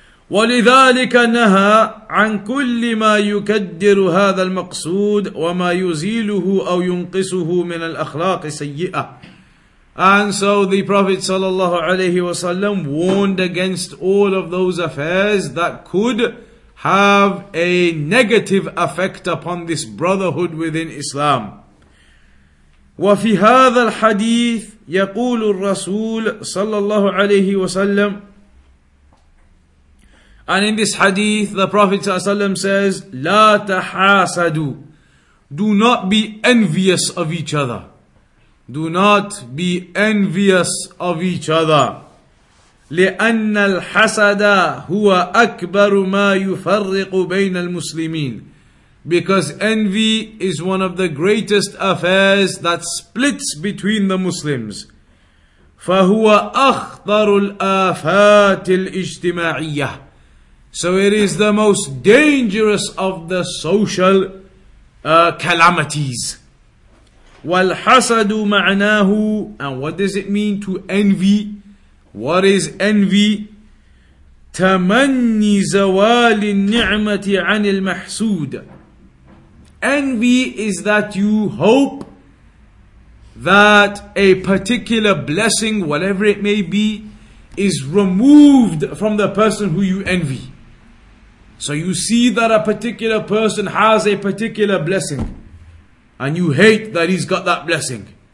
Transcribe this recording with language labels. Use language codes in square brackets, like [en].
[ar] وَلِذَٰلِكَ نَهَى عَنْ كُلِّ مَا يُكَدِّرُ هَذَا الْمَقْصُودِ وَمَا يُزِيلُهُ أَوْ يُنْقِسُهُ مِنَ الْأَخْلَاقِ سَيِّئَةِ. [en] And so the Prophet sallallahu alayhi wa sallam warned against all of those affairs that could have a negative effect upon this brotherhood within Islam. [ar] وفي هذا الحديث يقول الرسول صلى الله عليه وسلم. [en] And in this hadith, the Prophet ﷺ says, [ar] لا تحاسدوا. [en] Do not be envious of each other. Do not be envious of each other. [ar] لِأَنَّ الْحَسَدَ هُوَ أَكْبَرُ مَا يُفَرِّقُ بَيْنَ الْمُسْلِمِينَ. [en] Because envy is one of the greatest affairs that splits between the Muslims. [ar] فَهُوَ أَخْطَرُ الْآفَاتِ الْإِجْتِمَاعِيَّةِ. [en] So it is the most dangerous of the social calamities. [ar] وَالْحَسَدُ مَعْنَاهُ. [en] And what does it mean to envy? What is envy? [ar] تمني زوال النعمة عن المحسود. [en] Envy is that you hope that a particular blessing, whatever it may be, is removed from the person who you envy. So you see that a particular person has a particular blessing, and you hate that he's got that blessing.